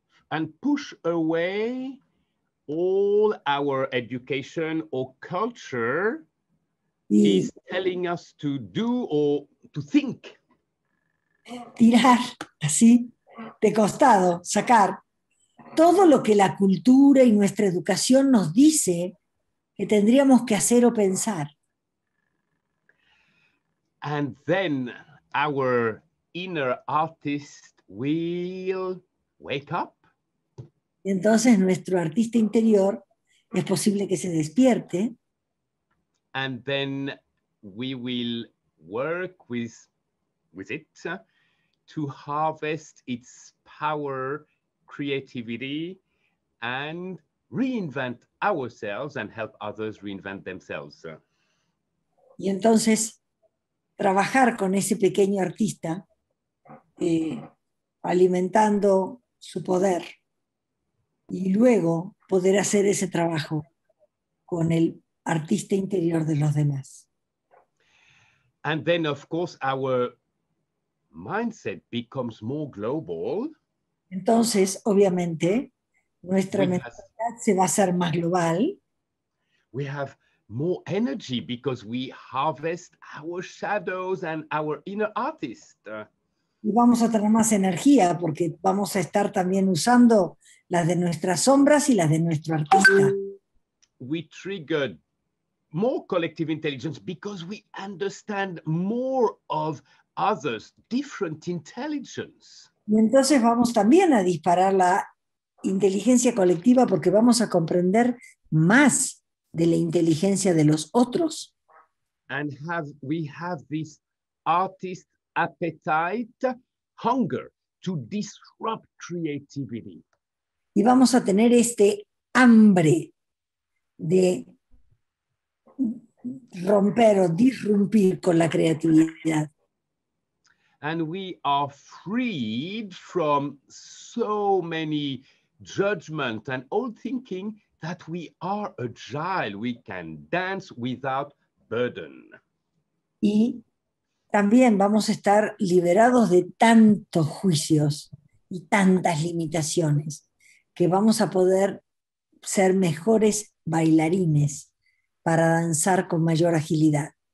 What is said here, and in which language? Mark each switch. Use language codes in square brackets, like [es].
[en] And push away all our education or culture is telling us to do or to think. [es] Tirar así de costado, sacar todo lo que la cultura y nuestra educación nos dice que tendríamos que hacer o pensar. [en] And then our inner artist will wake up. [es] Entonces nuestro artista interior es posible que se despierte. [en] And then we will work with it to harvest its power, creativity, and reinvent ourselves and help others reinvent themselves. [es] Y entonces trabajar con ese pequeño artista alimentando su poder. Y luego poder hacer ese trabajo con el artista interior de los demás. [en] And then, of course, our mindset becomes more global. [es] Entonces, obviamente, nuestra mentalidad se va a hacer más global. [en] We have more energy because we harvest our shadows and our inner artist. [es] Y vamos a tener más energía porque vamos a estar también usando las de nuestras sombras y las de nuestro artista. [en] We trigger more collective intelligence because we understand more of others, different intelligence. [es] Y entonces vamos también a disparar la inteligencia colectiva porque vamos a comprender más de la inteligencia de los otros. [en] And we have this artist appetite, hunger to disrupt creativity. [es] Y vamos a tener este hambre de romper o disrumpir con la creatividad. [en] And we are freed from so many judgment and old thinking that we are agile. We can dance without burden. [es] Y también vamos a estar liberados de tantos juicios y tantas limitaciones, que vamos a poder ser mejores bailarines para danzar con mayor agilidad.